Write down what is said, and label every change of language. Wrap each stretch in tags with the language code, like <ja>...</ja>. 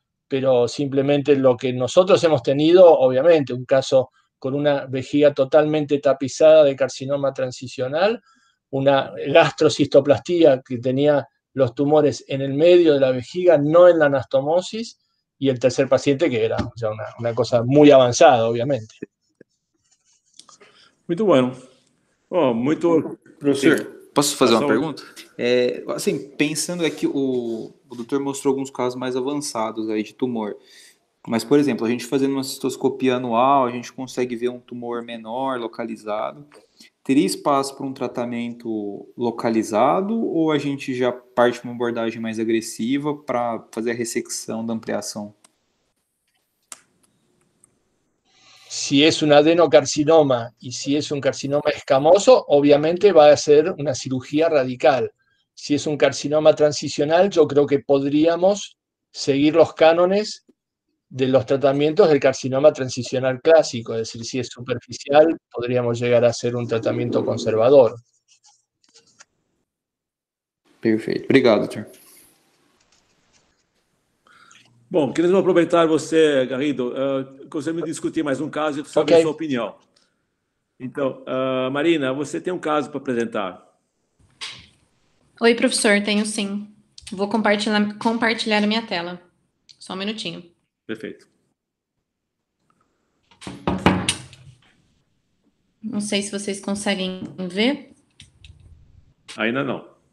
<es>Pero simplemente lo que nosotros hemos tenido, obviamente, un caso con una vejiga totalmente tapizada de carcinoma transicional, una gastrocistoplastía que tenía los tumores en el medio de la vejiga, no en la anastomosis, y el tercer paciente, que era ya una cosa muy avanzada, obviamente. Muy bueno. Oh, muy profesor, ¿puedo hacer una pregunta? Pensando aquí,</es> <pt>o doctor</pt> <es>mostró algunos casos más avanzados aí de tumor.</es> <pt>Mas, por exemplo, a gente fazendo uma cistoscopia anual, a gente consegue ver um tumor menor, localizado. Teria espaço para um tratamento localizado ou a gente já parte para uma abordagem mais agressiva para fazer a ressecção da ampliação? Se é um adenocarcinoma e se é um carcinoma escamoso, obviamente vai ser uma cirurgia radical. Se é um carcinoma transicional, eu</pt> <es>creo que poderíamos seguir os cánones de los tratamientos del carcinoma transicional clásico, es decir, si es superficial, podríamos llegar a hacer un tratamiento conservador. Perfecto.</es> <pt>Obrigado,</pt> <es>doctor. Bueno, queremos aprovechar usted, Garrido. Conseguimos discutir más un caso sobre okay. Su opinión. Entonces, Marina, usted tiene un caso para presentar.</es> <pt>Oi, profesor, tenho sim. Vou compartilhar a minha tela. Só um minutinho. Perfeito. Não sei se vocês conseguem ver. Ainda não.</pt>